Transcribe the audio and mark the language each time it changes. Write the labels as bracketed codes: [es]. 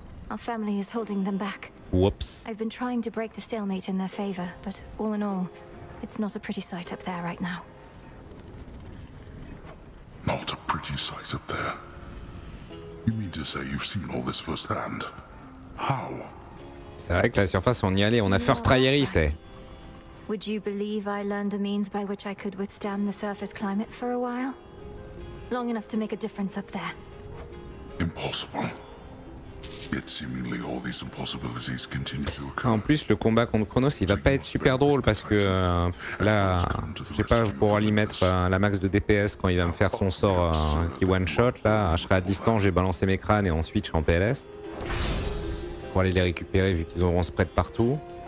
[en] Our family is holding them back. Whoops. I've been trying to break the stalemate in their favor, but all in all, it's not a pretty sight up there right now. Not a pretty sight up there? You mean to say you've seen all this firsthand? How? [fr] C'est vrai que la surface, on y allait, on a first try ici. [en] Right. Would you believe I learned a means by which I could withstand the surface climate for a while? Long enough to make a difference up there. Impossible. Yet seemingly all these impossibilities continue to occur. [fr] En plus, le combat contre Chronos, il va pas être super drôle parce que là, je sais pas, je pourrai lui mettre la max de DPS quand il va me faire son sort qui one shot. Là, je serai à distance, je vais balancer mes crânes et ensuite je serai en PLS pour aller les récupérer vu qu'ils auront spread partout.